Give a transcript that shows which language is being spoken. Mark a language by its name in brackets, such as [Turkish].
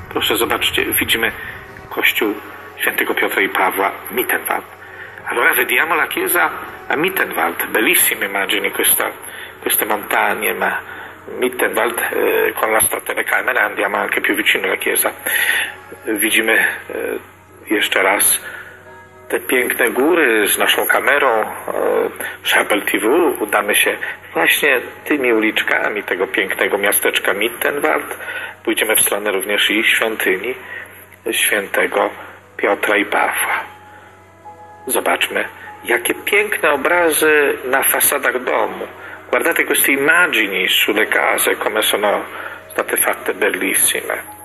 [Polish] Proszę zobaczcie, widzimy kościół świętego Piotra i Pawła Mittenwald. [Italian] Allora vediamo la chiesa a Mittenwald. Bellissime immagini queste montagne, ma Mittenwald con la nostra telecamera andiamo anche più vicino alla chiesa. [Polish] Widzimy jeszcze raz te piękne góry z naszą kamerą Szabel TV. Udamy się właśnie tymi uliczkami tego pięknego miasteczka Mittenwald. Pójdziemy w stronę również i świątyni świętego Piotra i Pawła. Zobaczmy, jakie piękne obrazy na fasadach domu. [Italian] Guardate queste immagini sulle case, come sono state fatte bellissime.